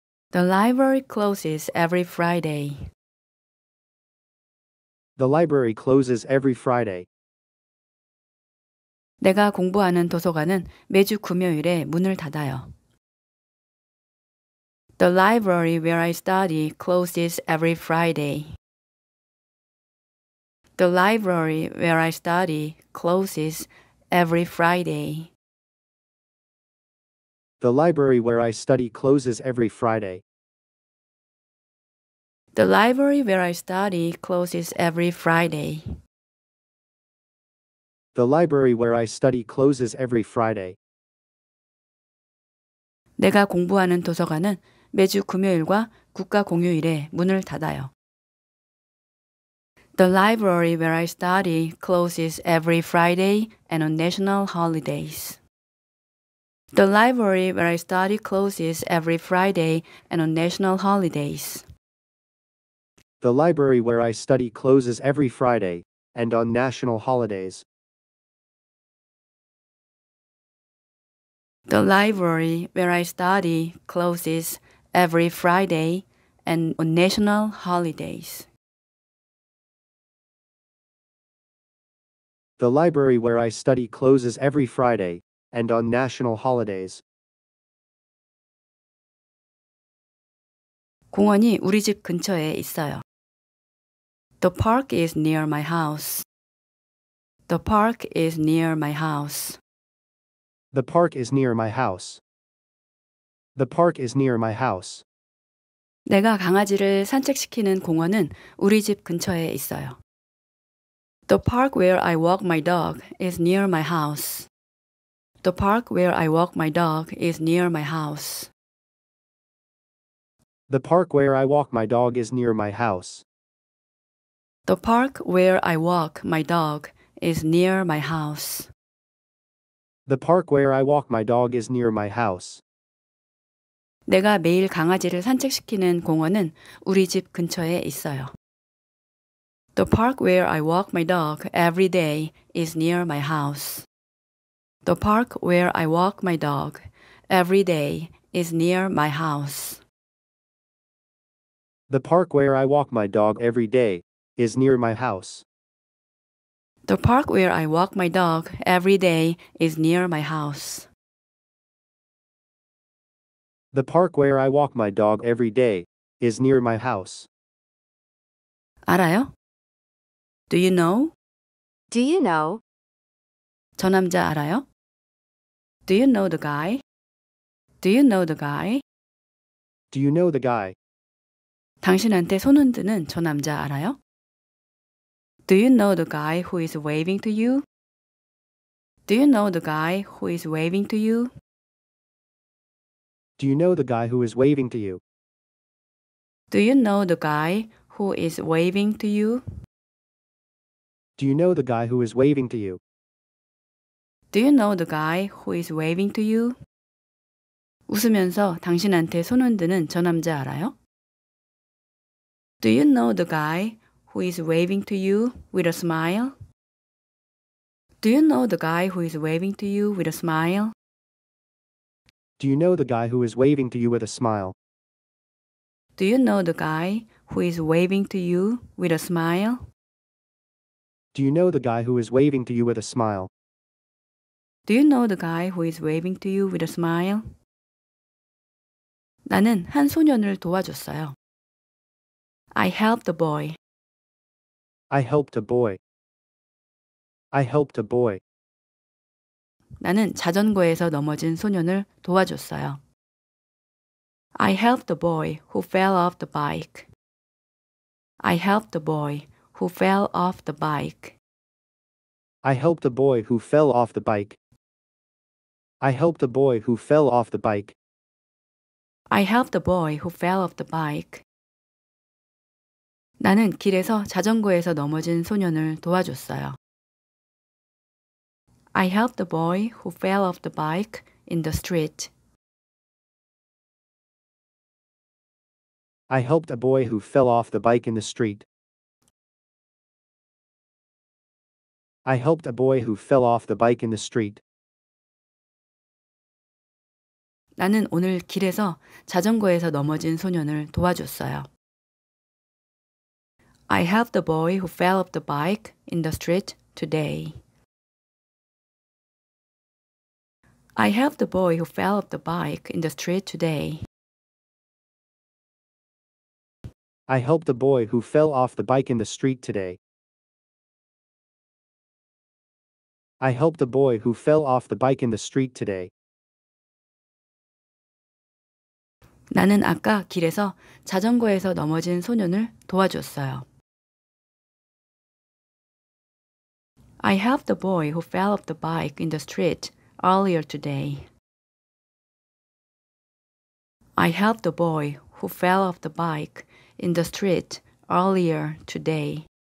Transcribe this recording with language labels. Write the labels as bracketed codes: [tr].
[en] The library closes every Friday. The library closes every Friday. [ko] 내가 공부하는 도서관은 매주 금요일에 문을 닫아요. [en] The library where I study closes every Friday. The library where I study closes every Friday. The library where I study closes every Friday. The library where I study closes every Friday. The library where I study closes every Friday. [ko] 내가 공부하는 도서관은 매주 금요일과 국가공휴일에 문을 닫아요. [en] The library where I study closes every Friday and on national holidays. The library where I study closes every Friday and on national holidays. The library where I study closes every Friday and on national holidays. The library where I study closes every Friday and on national holidays. The library where I study closes every Friday and on national holidays. [ko] 공원이 우리 집 근처에 있어요. [en] The park is near my house. The park is near my house. The park is near my house. The park is near my house. [ko] 내가 강아지를 산책시키는 공원은 우리 집 근처에 있어요. [en] The park where I walk my dog is near my house. The park where I walk my dog is near my house. The park where I walk my dog is near my house. The park where I walk my dog is near my house. The park where I walk my dog is near my house. [ko] 내가 매일 강아지를 산책시키는 공원은 우리 집 근처에 있어요. [en] The park where I walk my dog every day is near my house. The park where I walk my dog every day is near my house. The park where I walk my dog every day is near my house. The park where I walk my dog every day is near my house. The park where I walk my dog every day is near my house. [ko] 알아요? [en] Do you know? Do you know? [ko] 저 남자 알아요? [en] Do you know the guy? Do you know the guy? Do you know the guy? [ko] 당신한테 손 흔드는 저 남자 알아요? [en] Do you know the guy who is waving to you? Do you know the guy who is waving to you? Do you know the guy who is waving to you? Do you know the guy who is waving to you? Do you know the guy who is waving to you? Do you know the guy who is waving to you? [ko] 웃으면서 당신한테 손 흔드는 저 남자 알아요? [en] Do you know the guy who is waving to you with a smile? Do you know the guy who is waving to you with a smile? Do you know the guy who is waving to you with a smile? Do you know the guy who is waving to you with a smile? Do you know the guy who is waving to you with a smile? Do you know the guy who is waving to you with a smile? [ko] 나는 한 소년을 도와줬어요. [en] I helped a boy. I helped a boy. I helped a boy. [ko] 나는 자전거에서 넘어진 소년을 도와줬어요. [en] I helped a boy who fell off the bike. I helped a boy who fell off the bike. I helped a boy who fell off the bike. I helped a boy who fell off the bike. I helped a boy who fell off the bike. [ko] 나는 길에서 자전거에서 넘어진 소년을 도와줬어요. [en] I helped the boy who fell off the bike in the street. I helped a boy who fell off the bike in the street. I helped a boy who fell off the bike in the street. [ko] 나는 오늘 길에서 자전거에서 넘어진 소년을 도와줬어요. [en] I helped the boy who fell off the bike in the street today. I helped the boy who fell off the bike in the street today. I helped the boy who fell off the bike in the street today. I helped the boy who fell off the bike in the street today. [ko] 나는 아까 길에서 자전거에서 넘어진 소년을 도와줬어요. [en] I helped the boy who fell off the bike in the street earlier today. I helped the boy who fell off the bike in the street earlier today.